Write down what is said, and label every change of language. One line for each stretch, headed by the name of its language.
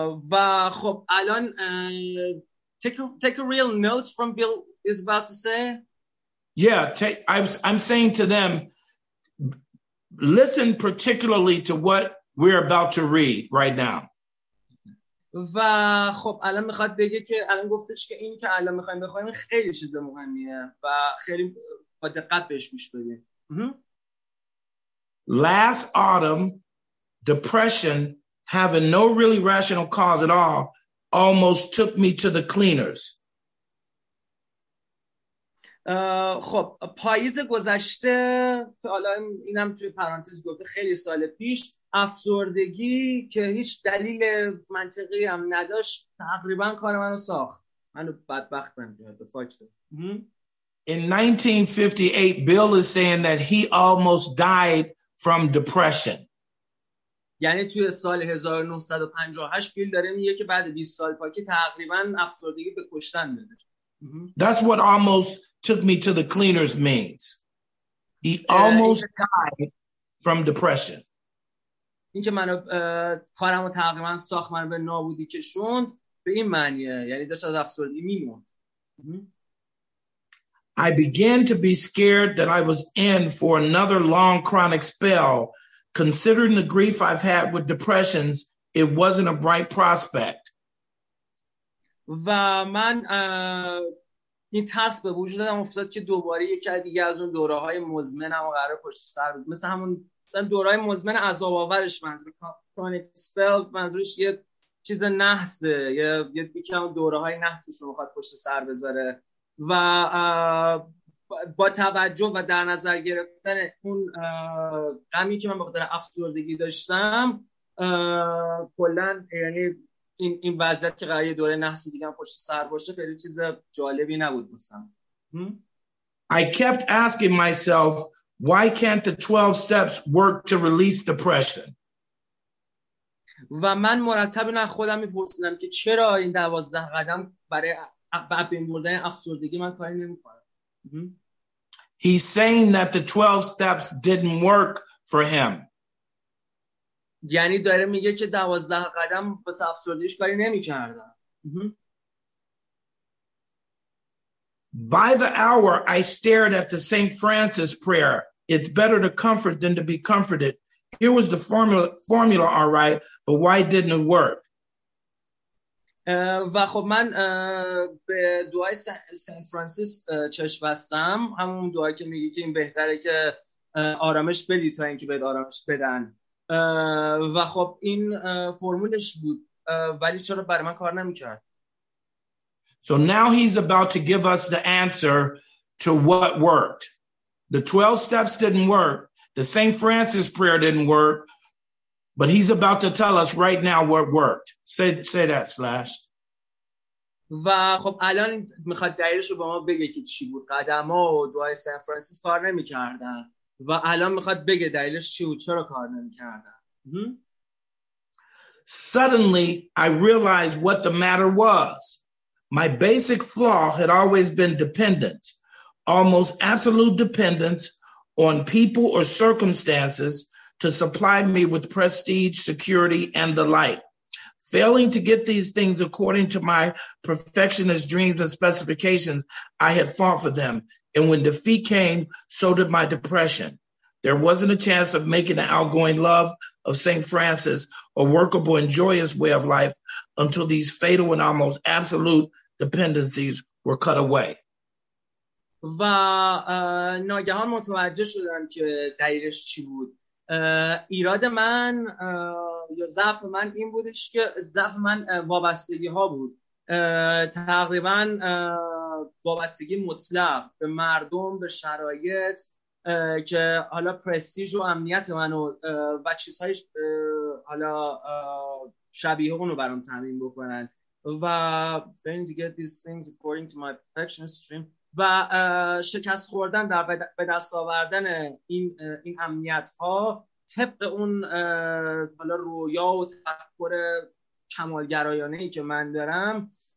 Persian: و خب الان
English: take a real note from Bill is about to say. Yeah, I'm saying to them, listen particularly to what we're about to read right now.
Persian: و خب الان میخواد بگه که الان گفتش که این که الان میخوایم بخوایم خیلی چیز مهمیه و خیلی با دقت بهش گوش بده.
English: Last autumn, depression, having no really rational cause at all, almost took me to the cleaners.
Persian: خب پاییز گذشته که حالا اینم توی پرانتز گفته خیلی سال پیش، افسردگی که هیچ دلیل منطقی هم نداشت تقریبا کار منو ساخت، منو بدبختم به فاکت.
English: In 1958 Bill is saying that he almost died from depression.
Persian: یعنی توی سال 1958 بیل داره میگه که بعد 20 سال پاکی تقریبا افسردگی به کشتن داده.
English: That's what almost took me to the cleaners means. He almost died from depression.
Persian: این که منو کارمو تقریبا ساخت، منو به نابودی کشوند، به این معنیه، یعنی داشت از افسردگی میموند.
English: I began to be scared that I was in for another long chronic spell. Considering the grief I've had with depressions, it wasn't a bright prospect.
Persian: و من این ترس به وجود دادم افتاد که دوباره یکی دیگه از اون دوره های مزمن هم قراره پشت سر بود، مثل همون دوره های مزمن عذاب آورش منظور
English: chronic spell،
Persian: منظورش یه چیز نحسه، یه دیگه همون دوره های نحسش رو بخواد پشت سر بذاره. و با توجه و در نظر گرفتن اون غمی که من به خاطر افسردگی داشتم، کلن یعنی این وضعیت که قراره دوره نحس دیگه هم پشت سر باشه خیلی چیز جالبی نبود مثلا.
English: I kept asking myself, why can't the 12 steps work to release depression?
Persian: و من مرتب نه خودم میپرسیدم که چرا این 12 قدم برای بین بردن افسردگی من کاری نمیکنه.
English: He's saying that the 12 steps didn't work for him.
Persian: یعنی داره میگه که 12 قدم بس افسردگیش کاری نمیکردن.
English: By the hour I stared at the St. Francis prayer. It's better to comfort than to be comforted. Here was the formula all right, but why didn't it work?
Persian: و خب من به دعای سنت فرانسیس چشم بستم، همون دعایی که میگی که این بهتره که آرامش بدی تا اینکه بهت آرامش بدن. و خب این فرمولش بود، ولی چرا برای من کار نمی‌کرد.
English: So now he's about to give us the answer to what worked. The 12 steps didn't work. The St. Francis prayer didn't work. But he's about to tell us right now what worked. Say that, Slash.
Persian: و خب الان میخواد دلیلش رو با ما بگه که چی بود. قدم‌ها و دعای سنت فرانسیس کار نمی‌کردن. و الان میخواد بگه دلیلش چی بود. چرا کار نمی‌کردن.
English: Suddenly, I realized what the matter was. My basic flaw had always been dependence, almost absolute dependence on people or circumstances to supply me with prestige, security, and the like. Failing to get these things according to my perfectionist dreams and specifications, I had fought for them. And when defeat came, so did my depression. There wasn't a chance of making the outgoing love of St. Francis a workable and joyous way of life until these fatal and almost absolute dependencies were cut away.
Persian: و ناگهان متوجه شدم که دلیلش چی بود. ایراد من یا ضعف من این بودش که ضعف من وابستگی ها بود. تقریبا وابستگی مطلق به مردم، به شرایط، که حالا پرستیژ و امنیت منو و چیزهای حالا شبیه اونو برام تعمین بکنن و
English: failing to get these things according to my perfectionist dream
Persian: و شکست خوردن در به دست آوردن این امنیت ها طبق اون حالا رویا و تفکر کمالگرایانه ای که من دارم.